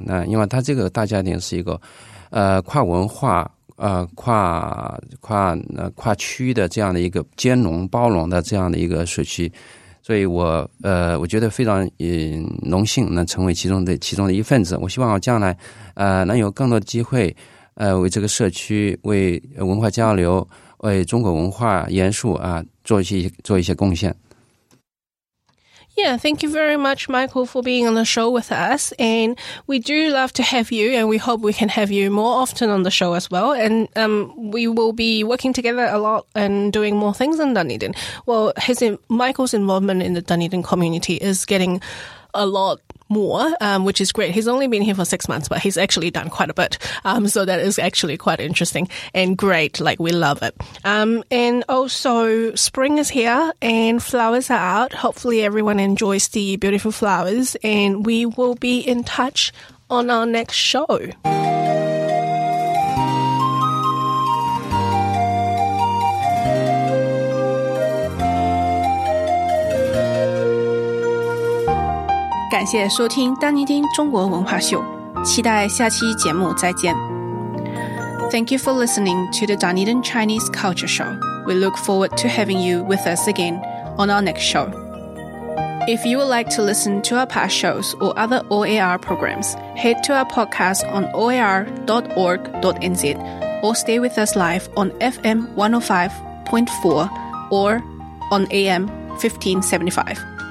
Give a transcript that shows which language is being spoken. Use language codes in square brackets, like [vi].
[zh] 那因为他这个大家庭是一个跨文化跨区的这样的一个兼容包容的这样的一个社区，所以我觉得非常荣幸能成为其中的一份子。我希望我将来能有更多的机会为这个社区，为文化交流，为中国文化元素啊做一些贡献。 [en] Yeah, thank you very much, Michael, for being on the show with us. And we do love to have you, and we hope we can have you more often on the show as well. And we will be working together a lot and doing more things in Dunedin. Well, Michael's involvement in the Dunedin community is getting a lot more, which is great. He's only been here for 6 months, but he's actually done quite a bit. So that is actually quite interesting and great. Like, we love it. And also, spring is here and flowers are out. Hopefully everyone enjoys the beautiful flowers, and we will be in touch on our next show. [zh] 感谢收听丹尼丁中国文化秀，期待下期节目再见。 [en] Thank you for listening to the Dunedin Chinese Culture Show. We look forward to having you with us again on our next show. If you would like to listen to our past shows or other OAR programs, head to our podcast on oar.org.nz or stay with us live on FM 105.4 or on AM 1575.